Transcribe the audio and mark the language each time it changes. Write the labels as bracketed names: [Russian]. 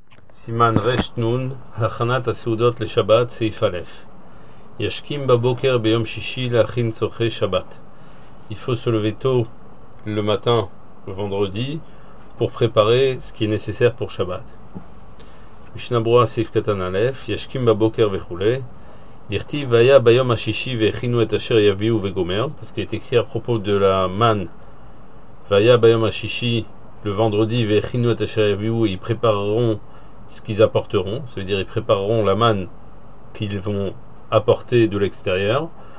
[Hebrew] סימן רשנון, הכנת הסעודות לשבת, סעיף א'. ישכים בבוקר ביום שישי להכין צורכי שבת. [French] Il faut se lever tôt le matin, le vendredi, pour préparer ce qui est nécessaire pour Shabbat. [Hebrew] משנה ברורה, סעיף קטן א', ישכים בבוקר וכו'. דכתיב, והיה ביום השישי והכינו את אשר יביאו וגומר, [French] parce qu'il est écrit à propos de la manne, [Hebrew] והיה ביום השישי, [French] le vendredi, [Hebrew] והכינו את אשר יביאו, [French] ils prépareront ce qu'ils apporteront, ça veut dire ils prépareront la manne qu'ils vont apporter de l'extérieur.